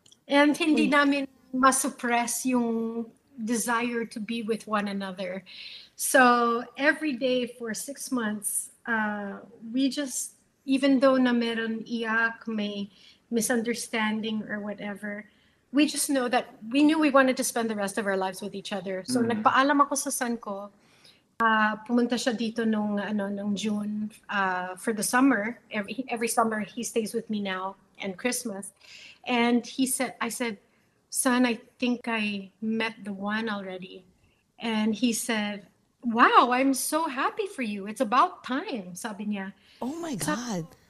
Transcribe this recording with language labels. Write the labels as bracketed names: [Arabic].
[English] And [Filipino] hindi namin masuppress yung [English] desire to be with one another. So every day for 6 months, we just, even though [Filipino] na meron iyak, may misunderstanding [English] or whatever, we just know that we knew we wanted to spend the rest of our lives with each other. [Filipino] So nagpaalam ako sa son ko, pumunta siya dito nung, ano, nung June [English] for the summer. Every summer he stays with me now and Christmas. And he said, I said, son, I think I met the one already. And he said, wow, I'm so happy for you. It's about time, [Filipino] sabi niya. [English] Oh my God.